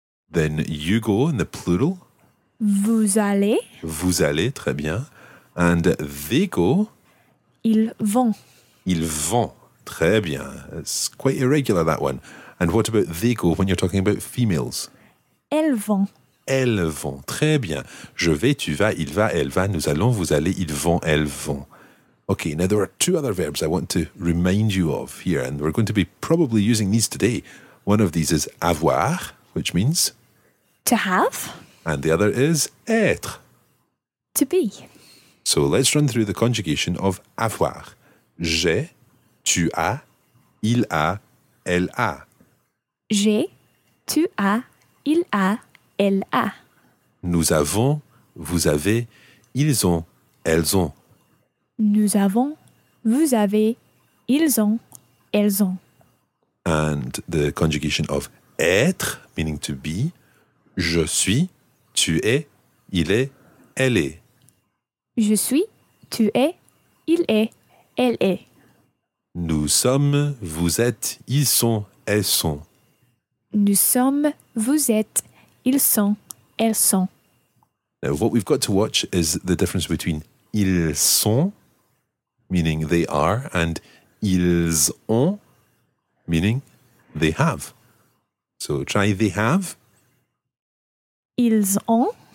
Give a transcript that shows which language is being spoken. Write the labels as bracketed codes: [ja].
[en] Then you go in the plural. [fr] Vous allez. Vous allez, très bien. [en] And they go. [fr] Ils vont. Ils vont. Très bien. [en] It's quite irregular, that one. And what about they go when you're talking about females? [fr] Elles vont. Elles vont. Très bien. Je vais, tu vas, il va, elle va, nous allons, vous allez, ils vont, elles vont. [en] Okay, now there are two other verbs I want to remind you of here, and we're going to be probably using these today. One of these is avoir, which means? To have. And the other is être. To be. So let's run through the conjugation of avoir. [fr] J'ai, tu as, il a, elle a. J'ai, tu as, il a, elle a. Nous avons, vous avez, ils ont, elles ont. Nous avons, vous avez, ils ont, elles ont. [en] And the conjugation of être, meaning to be. [fr] Je suis, tu es, il est, elle est. Je suis, tu es, il est, elle est. Nous sommes, vous êtes, ils sont, elles sont. Nous sommes, vous êtes, ils sont, elles sont. [en] Now, what we've got to watch is the difference between [fr] ils sont, [en] meaning they are, and [fr] ils ont, [en] meaning they have. So try they have. [fr] Ils ont.